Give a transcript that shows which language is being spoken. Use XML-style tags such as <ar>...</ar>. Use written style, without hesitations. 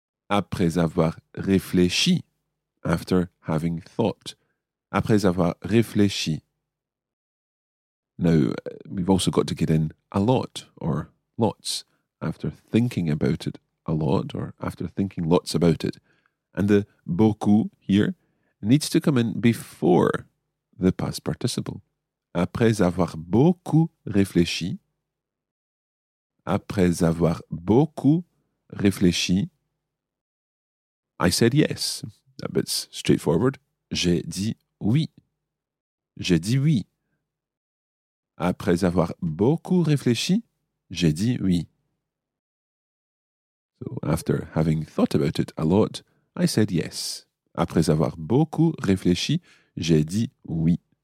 <fr>Après avoir réfléchi,</fr> <en>after having thought,</en> <fr>après avoir réfléchi.</fr> <en>Now, we've also got to get in a lot or lots after thinking about it a lot or after thinking lots about it. And the beaucoup here needs to come in before the past participle.</en> <fr>Après avoir beaucoup réfléchi. Après avoir beaucoup réfléchi.</fr> <en>I said yes. That bit's straightforward.</en> <fr>J'ai dit oui. J'ai dit oui. Après avoir beaucoup réfléchi, j'ai dit oui.</fr> <en>So, after having thought about it a lot, I said yes.</en> <fr>Après avoir beaucoup réfléchi, j'ai dit oui.</fr>